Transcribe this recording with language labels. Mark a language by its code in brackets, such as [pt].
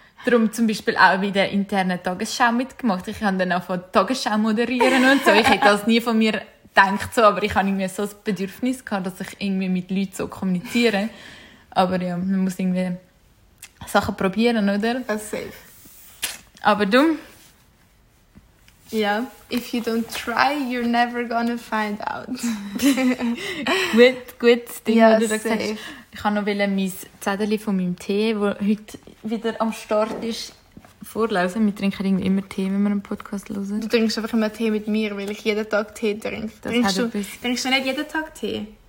[de] Darum zum Beispiel auch bei der internen Tagesschau mitgemacht. Ich habe dann auch von Tagesschau moderieren und so. Ich hätte das nie von mir gedacht, so, aber ich hatte irgendwie so ein Bedürfnis gehabt, dass ich irgendwie mit Leuten so kommuniziere. Aber ja, man muss irgendwie Sachen probieren, oder? Das ist safe. Aber du? [en] Ja, if you don't try, you're never gonna find out. [de] Gut, Ding, ja, du da gesagt hast. Ich habe noch mein Zettel von meinem Tee, der heute wieder am Start ist, vorlesen. Wir trinken irgendwie immer Tee, wenn wir einen Podcast hören. Du trinkst einfach immer Tee mit mir, weil ich jeden Tag Tee trinke. Das trinkst du nicht jeden Tag Tee?